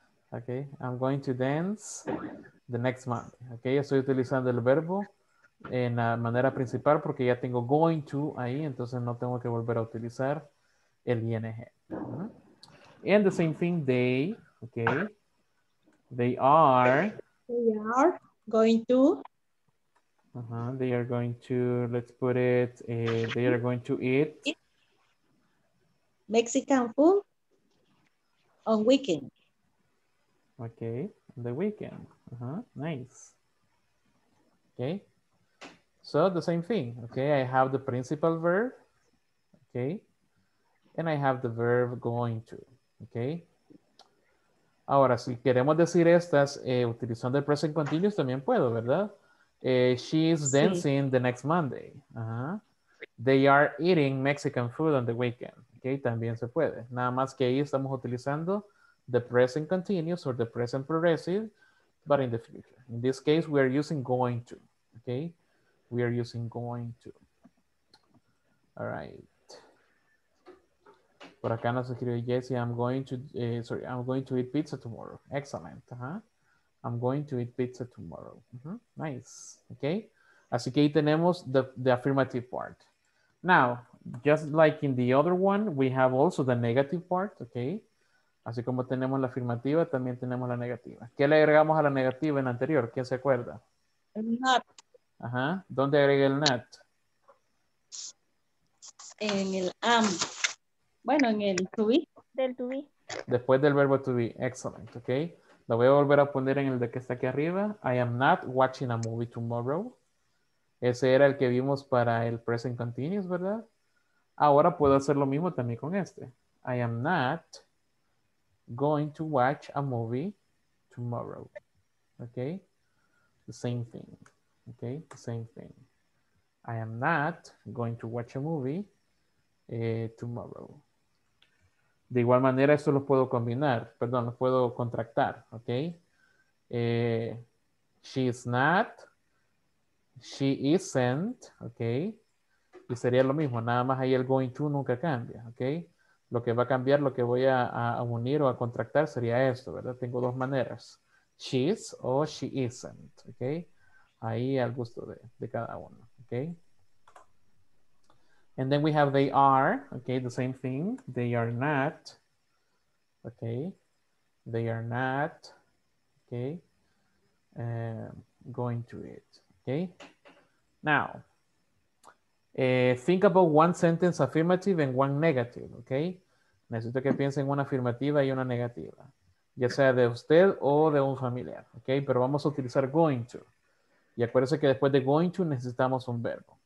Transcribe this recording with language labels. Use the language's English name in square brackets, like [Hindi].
[English] Ok, I'm going to dance the next Monday. [Spanish] Ok, estoy utilizando el verbo en la manera principal porque ya tengo going to ahí, entonces no tengo que volver a utilizar el ing. [English] Uh-huh. And the same thing, they, ok. They are going to. Uh-huh. They are going to, let's put it, they are going to eat Mexican food on weekend. Okay, on the weekend. Uh-huh. Nice. Okay, so the same thing. Okay, I have the principal verb. Okay, and I have the verb going to. Okay. [Spanish] Ahora, si queremos decir estas utilizando el present continuous, también puedo, ¿verdad? [English] She is dancing sí. The next Monday. Uh-huh. They are eating Mexican food on the weekend. Okay, [Spanish] también se puede. Nada más que ahí estamos utilizando [English] the present continuous or the present progressive, but in the future. In this case, we are using going to. Okay, we are using going to. All right. [Spanish] Por acá nos escribe [English] Jesse. I'm going to eat pizza tomorrow. Excellent. Uh-huh. I'm going to eat pizza tomorrow. Mm-hmm. Nice. Okay. [Spanish] Así que ahí tenemos the affirmative part. [English] Now, just like in the other one, we have also the negative part. Okay. [Spanish] Así como tenemos la afirmativa, también tenemos la negativa. ¿Qué le agregamos a la negativa en anterior? ¿Quién se acuerda? El not. Ajá. ¿Dónde agrega el not? En el am. Bueno, en el to be. Del to be. Después del verbo to be. [English] Excellent. Okay. [Spanish] Lo voy a volver a poner en el de que está aquí arriba. [English] I am not watching a movie tomorrow. [Spanish] Ese era el que vimos para el present continuous, ¿verdad? Ahora puedo hacer lo mismo también con este. [English] I am not going to watch a movie tomorrow. Okay? The same thing. Okay? The same thing. I am not going to watch a movie tomorrow. [Spanish] De igual manera, esto lo puedo combinar. Perdón, lo puedo contractar, ¿ok? [English] She is not. She isn't, ¿ok? [Spanish] Y sería lo mismo. Nada más ahí el going to nunca cambia, ¿ok? Lo que va a cambiar, lo que voy a unir o a contractar sería esto, ¿verdad? Tengo dos maneras. She's o she isn't, ¿ok? Ahí al gusto de cada uno, ¿ok? [English] And then we have they are, okay, the same thing. They are not, okay. They are not, okay, going to it, okay. Now, think about one sentence affirmative and one negative, okay. [Spanish] Necesito que piensen una afirmativa y una negativa. Ya sea de usted o de un familiar. ¿Ok? Pero vamos a utilizar going to. Y acuérdense que después de going to necesitamos un verbo.